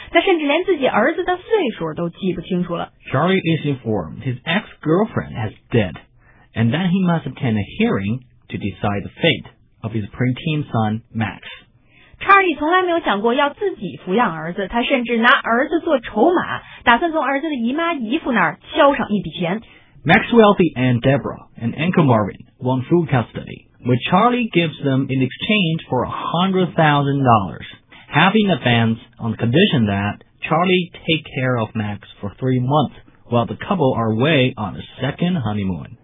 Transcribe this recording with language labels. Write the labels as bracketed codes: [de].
[zh] 他甚至连自己儿子的岁数都记不清楚了。 [en] Charlie is informed his ex-girlfriend has died, and that he must attend a hearing to decide the fate. Of his preteen son Max, [zh] Charlie 从来没有想过要自己抚养儿子，他甚至拿儿子做筹码，打算从儿子的姨妈姨父那儿敲上一笔钱。 [en] Maxwell, the aunt Deborah, and Uncle Marvin want full custody, which Charlie gives them in exchange for $100,000, having advance on the condition that Charlie take care of Max for 3 months while the couple are away on a second honeymoon.